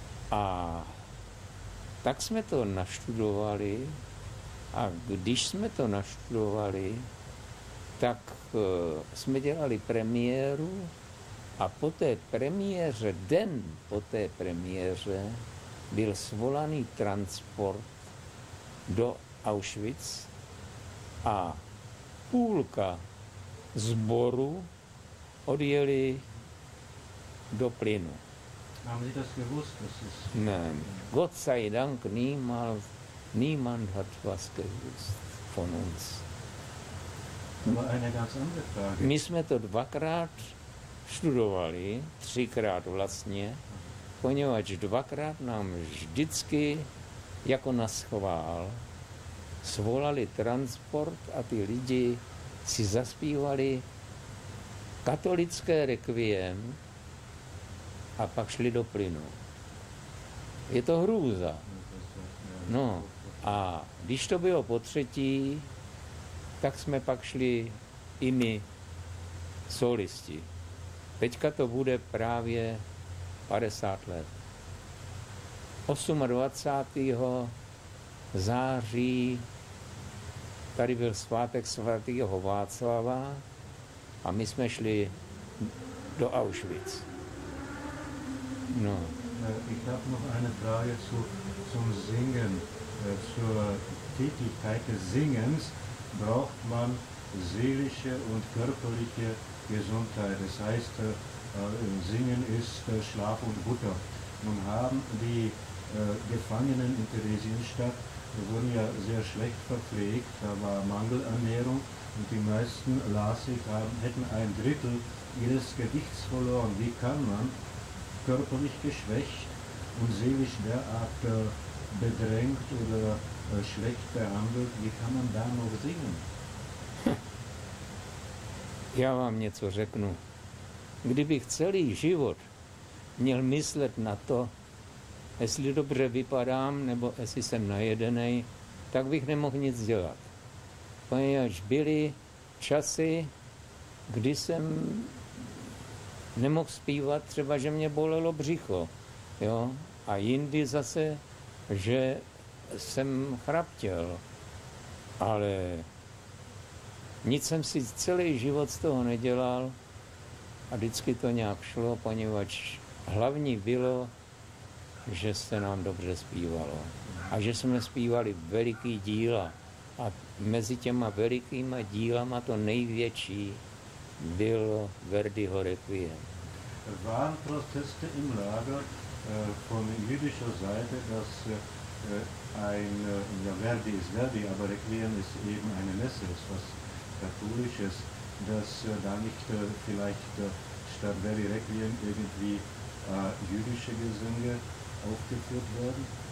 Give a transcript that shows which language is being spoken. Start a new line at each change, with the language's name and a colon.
Czech: A tak jsme to naštudovali a když jsme to naštudovali, tak jsme dělali premiéru a po té premiéře, den po té premiéře, byl svolaný transport do Auschwitz a půlka sboru odjeli do plynu.
German: Haben Sie das gewusst? Das ist Nein, Gott sei Dank, niemand hat was gewusst von uns. Aber eine ganz andere Frage.
Czech: My jsme to dvakrát studovali, třikrát vlastně, poněvadž dvakrát nám vždycky jako na schvál svolali transport a ty lidi si zaspívali katolické rekviem a pak šli do plynu. Je to hrůza. No a když to bylo po třetí, tak jsme pak šli i my solisti. Teďka to bude právě 50 let. 28. září tady byl svátek svatého Václava a my jsme šli do Auschwitz. No.
German: Ich habe noch eine Frage zum Singen. Zur Tätigkeit des Singens braucht man seelische und körperliche Gesundheit. Das heißt, Singen ist Schlaf und Butter. Nun haben die Gefangenen in Theresienstadt wurden ja sehr schlecht verpflegt, da war Mangelernährung und die meisten, las ich, hätten ein Drittel ihres Gewichts verloren. Wie kann man körperlich geschwächt und seelisch derart bedrängt oder schlecht behandelt, wie kann man da noch singen?
Czech: Ja, vám něco řeknu. Kdybych celý život měl myslet na to, jestli dobře vypadám, nebo jestli jsem najedenej, tak bych nemohl nic dělat. Poněvadž byly časy, kdy jsem nemohl zpívat, třeba že mě bolelo břicho, jo? A jindy zase, že jsem chraptěl. Ale nic jsem si celý život z toho nedělal a vždycky to nějak šlo, poněvadž hlavní bylo, že se nám dobře zpívalo a že jsme zpívali veliký díla a mezi těma velikýma dílama to největší byl Verdiho Requiem.
German: Waren Proteste im Lager von jüdischer Seite, dass ein, ja Verdi ist Verdi, aber Requiem ist eben eine Messe, ist was katholisches, dass da nicht vielleicht statt Verdi Requiem irgendwie jüdische Gesänge aufgeführt werden?